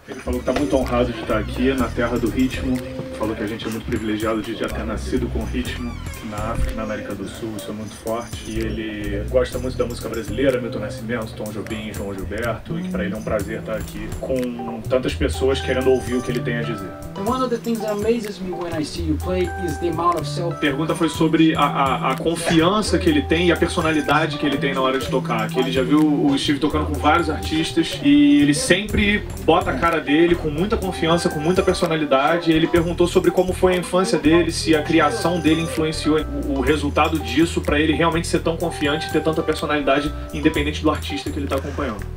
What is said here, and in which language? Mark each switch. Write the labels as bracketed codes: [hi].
[pt] Ele falou que tá muito honrado de estar aqui na terra do ritmo. Falou que a gente é muito privilegiado de já ter nascido com ritmo na África, na América do Sul. Isso é muito forte. E ele gosta muito da música brasileira, Milton Nascimento, Tom Jobim, João Gilberto. E que pra ele é um prazer estar aqui com tantas pessoas querendo ouvir o que ele tem a dizer. [en] One of the things that amazes me when I see you play is the amount of self. [pt] A pergunta foi sobre a confiança que ele tem e a personalidade que ele tem na hora de tocar. Que ele já viu o Steve tocando com vários artistas e ele sempre bota a cara dele com muita confiança, com muita personalidade. E ele perguntou sobre como foi a infância dele, se a criação dele influenciou o resultado disso pra ele realmente ser tão confiante e ter tanta personalidade independente do artista que ele tá acompanhando.